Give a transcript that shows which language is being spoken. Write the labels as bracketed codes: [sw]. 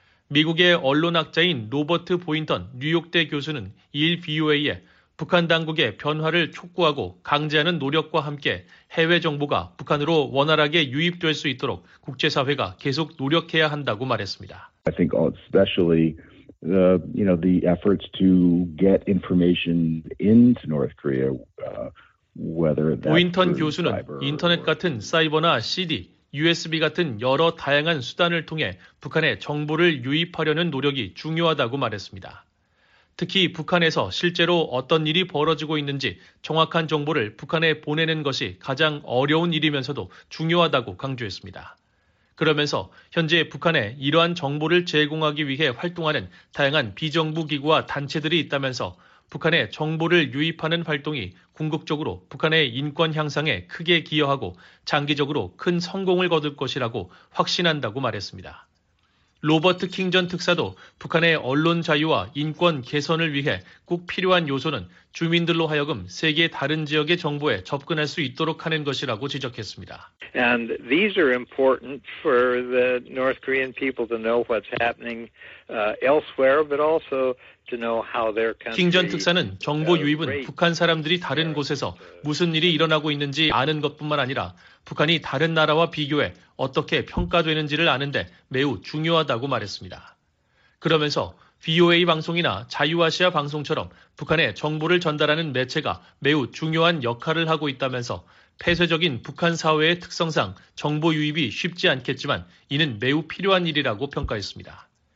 [ko] 미국의 언론학자인 로버트 보인턴 뉴욕대 교수는 2일 BOA에 북한 당국의 변화를 촉구하고 강제하는 노력과 함께 해외 정보가 북한으로 원활하게 유입될 수 있도록 국제사회가 계속 노력해야 한다고 말했습니다. [en] I think especially the, you know, the efforts to get information into North Korea, whether that's [ko] 오인턴 교수는 인터넷 같은 사이버나 CD, USB 같은 여러 다양한 수단을 통해 북한에 정보를 유입하려는 노력이 중요하다고 말했습니다. 특히 북한에서 실제로 어떤 일이 벌어지고 있는지 정확한 정보를 북한에 보내는 것이 가장 어려운 일이면서도 중요하다고 강조했습니다. 그러면서 현재 북한에 이러한 정보를 제공하기 위해 활동하는 다양한 비정부기구와 단체들이 있다면서 북한에 정보를 유입하는 활동이 궁극적으로 북한의 인권 향상에 크게 기여하고 장기적으로 큰 성공을 거둘 것이라고 확신한다고 말했습니다. 로버트 킹 전 특사도 북한의 언론 자유와 인권 개선을 위해 꼭 필요한 요소는 주민들로 하여금 세계 다른 지역의 정보에 접근할 수 있도록 하는 것이라고 지적했습니다. [en] And these are important for the North Korean people to know what's happening elsewhere, but also to know how their country. [ko] 킹 전 특사는 정보 유입은 북한 사람들이 다른 곳에서 무슨 일이 일어나고 있는지 아는 것뿐만 아니라 북한이 다른 나라와 비교해 어떻게 평가되는지를 아는데 매우 중요하다고 말했습니다. 그러면서 VOA 방송이나 자유아시아 방송처럼 북한에 정보를 전달하는 매체가 매우 중요한 역할을 하고 있다면서 폐쇄적인 북한 사회의 특성상 정보 유입이 쉽지 않겠지만 이는 매우 필요한 일이라고 평가했습니다.